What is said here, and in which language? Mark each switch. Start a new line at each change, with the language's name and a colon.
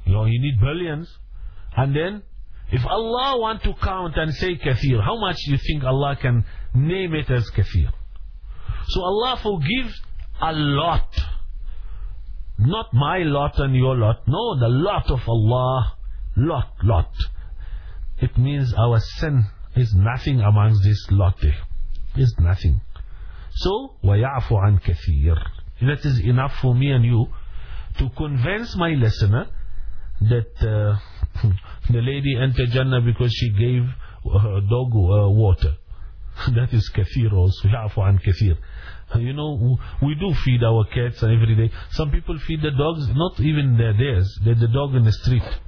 English: You know, he need billions. And then if Allah want to count and say kathir, how much do you think Allah can name it as kathir? So Allah forgives a lot. Not my lot and your lot. No, the lot of Allah. Lot. It means our sin is nothing amongst this lot. Is nothing.
Arabic: So, وَيَعْفُ عَنْ كَثِيرٍ.
English: That is enough for me and you to convince my listener that the lady entered Jannah because she gave her dog water. That is kathir also.
Arabic: وَيَعْفُ عَنْ كَثِيرٍ.
English: You know, we do feed our cats every day. Some people feed the dogs, not even theirs, the dog in the street.